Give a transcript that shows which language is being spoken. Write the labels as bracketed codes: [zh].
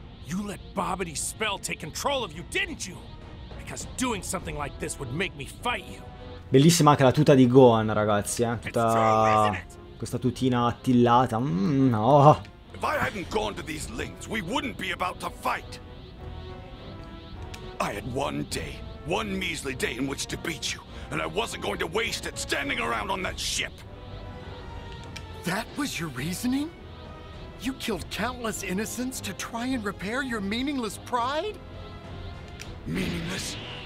[en] You let Babidi's spell take control of you, didn't you? Because doing something like this would make me fight you. [it] Bellissima anche la tuta di Gohan, ragazzi, tutta questa tutina attillata. [en] No. If I hadn't gone to these links, we wouldn't be about to fight. I had one day, one measly day in which to beat you, and I wasn't going to waste it standing around on that ship. That was your reasoning? You killed countless innocents to try and repair your meaningless pride? Meaningless?